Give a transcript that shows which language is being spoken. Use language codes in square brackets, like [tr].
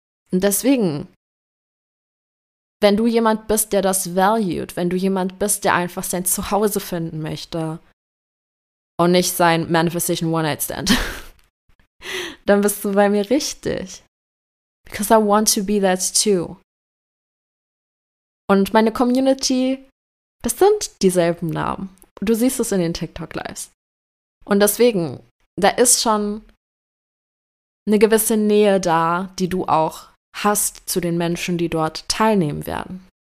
[de] Und deswegen, wenn du jemand bist, der das valued, wenn du jemand bist, der einfach sein Zuhause finden möchte und nicht sein Manifestation One-Night-Stand, dann bist du bei mir richtig. [en] Because I want to be that too. [de] Und meine Community, das sind dieselben Namen. Du siehst es in den TikTok-Lives. Und deswegen, da ist schon eine gewisse Nähe da, die du auch hast zu den Menschen, die dort teilnehmen werden.